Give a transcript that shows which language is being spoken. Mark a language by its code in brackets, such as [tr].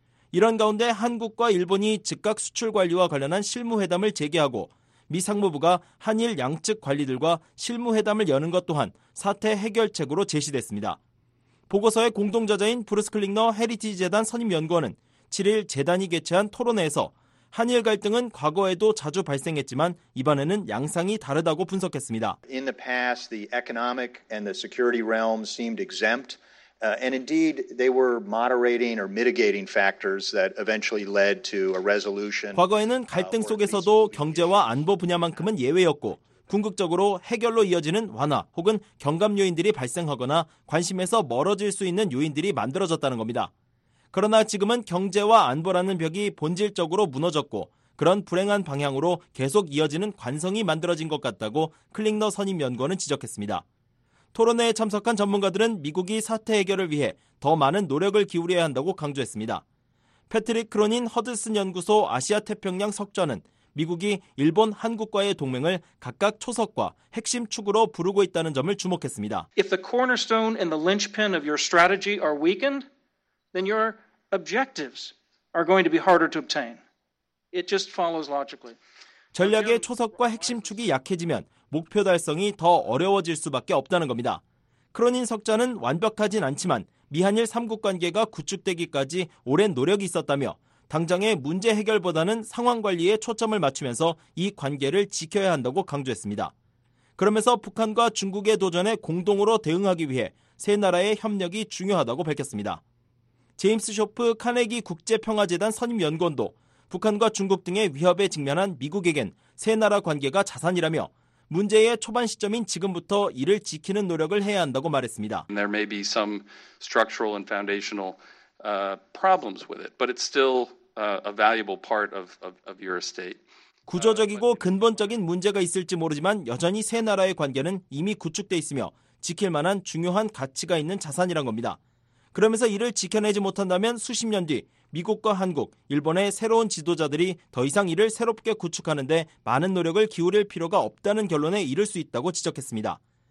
[ko] 이런 가운데 한국과 일본이 즉각 수출 관리와 관련한 실무회담을 재개하고 미 상무부가 한일 양측 관리들과 실무회담을 여는 것 또한 사태 해결책으로 제시됐습니다. 보고서의 공동저자인 브루스 클링너 헤리티지 재단 선임연구원은 7일 재단이 개최한 토론회에서 한일 갈등은 과거에도 자주 발생했지만 이번에는 양상이 다르다고 분석했습니다. [en] In the past, the economic and the security realm seemed exempt, and indeed, they were moderating or mitigating factors that eventually led to a resolution. [ko] 과거에는 갈등 속에서도 경제와 안보 분야만큼은 예외였고, 궁극적으로 해결로 이어지는 완화 혹은 경감 요인들이 발생하거나 관심에서 멀어질 수 있는 요인들이 만들어졌다는 겁니다. 그러나 지금은 경제와 안보라는 벽이 본질적으로 무너졌고 그런 불행한 방향으로 계속 이어지는 관성이 만들어진 것 같다고 클링너 선임 연구원은 지적했습니다. 토론회에 참석한 전문가들은 미국이 사태 해결을 위해 더 많은 노력을 기울여야 한다고 강조했습니다. 패트릭 크로닌 허드슨 연구소 아시아태평양 석좌는 미국이 일본, 한국과의 동맹을 각각 초석과 핵심 축으로 부르고 있다는 점을 주목했습니다. [en] If the cornerstone and the linchpin of your strategy are weakened, then your objectives are going to be harder to obtain. It just follows logically. [ko] 전략의 초석과 핵심 축이 약해지면 목표 달성이 더 어려워질 수밖에 없다는 겁니다. 크로닌 석자는 완벽하진 않지만 미한일 3국 관계가 구축되기까지 오랜 노력이 있었다며 당장의 문제 해결보다는 상황 관리에 초점을 맞추면서 이 관계를 지켜야 한다고 강조했습니다. 그러면서 북한과 중국의 도전에 공동으로 대응하기 위해 세 나라의 협력이 중요하다고 밝혔습니다. 제임스 쇼프 카네기 국제평화재단 선임연구원도 북한과 중국 등의 위협에 직면한 미국에겐 세 나라 관계가 자산이라며 문제의 초반 시점인 지금부터 이를 지키는 노력을 해야 한다고 말했습니다. [en] There may be some structural and foundational problems with it, but it's still a valuable part of your estate. [ko] 구조적이고 근본적인 문제가 있을지 모르지만 여전히 세 나라의 관계는 이미 구축돼 있으며 지킬 만한 중요한 가치가 있는 자산이란 겁니다. 그러면서 이를 지켜내지 못한다면 수십 년 뒤 미국과 한국, 일본의 새로운 지도자들이 더 이상 이를 새롭게 구축하는 데 많은 노력을 기울일 필요가 없다는 결론에 이를 수 있다고 지적했습니다.